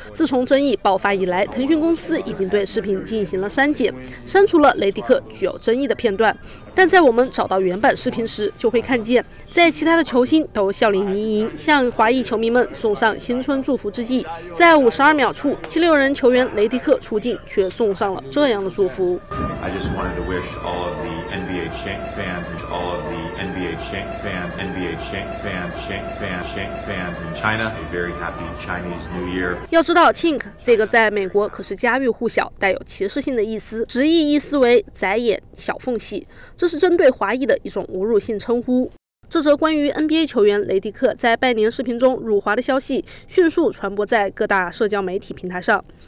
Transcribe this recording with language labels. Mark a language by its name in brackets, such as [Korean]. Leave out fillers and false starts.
[Chinese] 自从争议爆发以来，腾讯公司已经对视频进行了删减，删除了雷迪克具有争议的片段。但在我们找到原版视频时，就会看见在其他的球星都笑脸盈盈向华裔球迷们送上新春祝福之际，在52秒处，76人球员雷迪克出镜却送上了这样的祝福。 [English] I just wanted to wish all of the NBA Chink fans and all of the NBA Chink fans in China a very happy Chinese New Year. [Chinese] 要知道 Chink 这个在美国可是家喻户晓，带有歧视性的意思，直译意思为窄眼、小缝隙，这是针对华裔的一种侮辱性称呼。这则关于 NBA 球员雷迪克在拜年视频中辱华的消息迅速传播在各大社交媒体平台上。